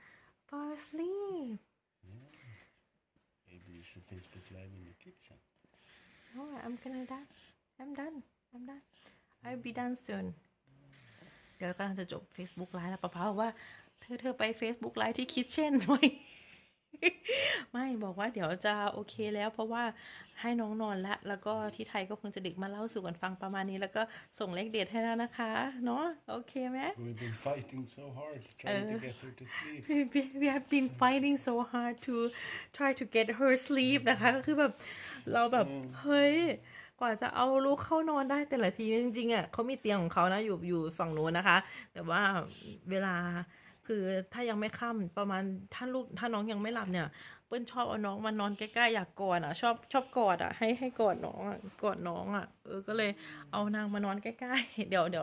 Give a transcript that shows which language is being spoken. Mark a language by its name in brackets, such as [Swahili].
[English] you finally fall asleep maybe you should Facebook live in the kitchen no I'm done I'll be done soon [Thai] เดี๋ยวกำลังจะจบ Facebook live แล้วป้าว่าเธอไป Facebook live ที่ kitchen หน่อยไม่บอกว่าเดี๋ยวจะโอเคแล้วเพราะว่าให้น้องนอนแล้วแล้วก็ที่ไทยก็คงจะดึกมาเล่าสู่กันฟังประมาณนี้แล้วก็ส่งเลขเด็ดให้แล้วนะคะเนาะโอเคไหม [English] We've been fighting so hard trying to get her to sleep We have been fighting so hard to try to get her sleep [Thai] นะคะก็คือแบบเราแบบเฮ้ยกว่าจะเอาลูกเข้านอนได้แต่ละทีจริงๆอ่ะเขามีเตียงของเขานะอยู่ฝั่งโน้นนะคะแต่ว่าเวลาคือถ้ายังไม่ค่ำประมาณถ้าลูกถ้าน้องยังไม่หลับเนี่ยเปิ้ลชอบเอาน้องมานอนใกล้ๆอยากกอดอ่ะชอบกอดอ่ะให้กอดน้องอ่ะกอดน้องอ่ะก็เลยเอานางมานอนใกล้ๆเดี๋